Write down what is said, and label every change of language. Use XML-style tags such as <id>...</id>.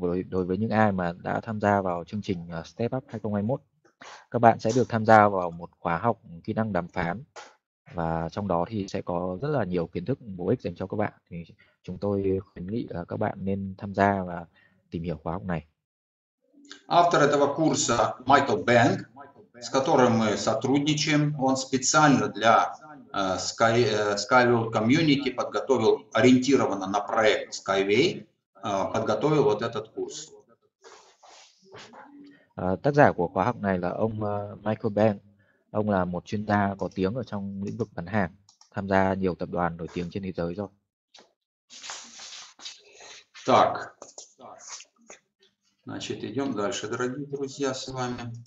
<vi>Đối với những ai mà đã tham gia vào chương trình Step Up 2021, các bạn sẽ được tham gia vào một khóa học kỹ năng đàm phán. Và trong đó thì sẽ có rất là nhiều kiến thức bổ ích dành cho các bạn. Thì chúng tôi khuyến nghị các bạn nên tham gia và tìm hiểu khóa học này.</vi> <ru>Автор этого курса Майкл Бенг, с которым мы сотрудничаем, он специально для Skyway Community подготовил, ориентированно на проект Skyway, подготовил вот этот курс.</ru> <vi>Tác giả của khóa học này là ông Майкл Бенг. Ông là một chuyên gia có tiếng ở trong lĩnh vực bán hàng, tham gia nhiều tập đoàn nổi tiếng trên thế giới rồi.</vi> <ru>Так. Значит, идем дальше, дорогие друзья, с вами.</ru>